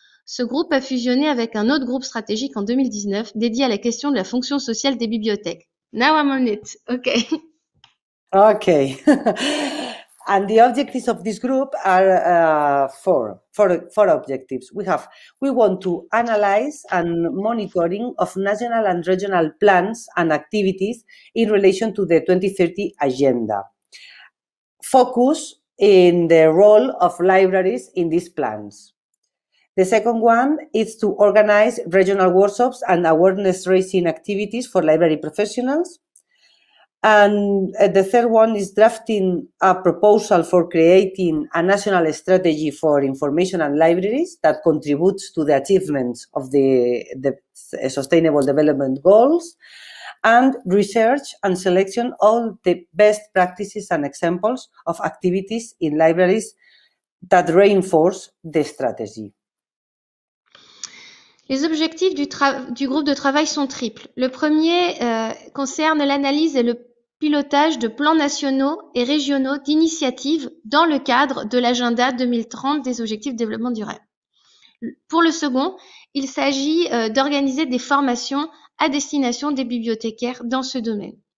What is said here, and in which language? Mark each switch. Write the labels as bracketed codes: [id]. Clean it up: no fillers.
[fr] Ce groupe a fusionné avec un autre groupe stratégique en 2019 dédié à la question de la fonction sociale des bibliothèques. [en] Now I'm on it. Okay. Okay. And the objectives of this group are four objectives. We want to analyze and monitoring of national and regional plans and activities in relation to the 2030 agenda. Focus in the role of libraries in these plans. The second one is to organize regional workshops and awareness raising activities for library professionals. And the third one is drafting a proposal for creating a national strategy for information and libraries that contributes to the achievements of the Sustainable Development Goals, and research and selection all the best practices and examples of activities in libraries that reinforce the strategy. [fr] Les objectifs du groupe de travail sont triples. Le premier concerne l'analyse et le pilotage de plans nationaux et régionaux d'initiatives dans le cadre de l'agenda 2030 des objectifs de développement durable. Pour le second, il s'agit d'organiser des formations à destination des bibliothécaires dans ce domaine.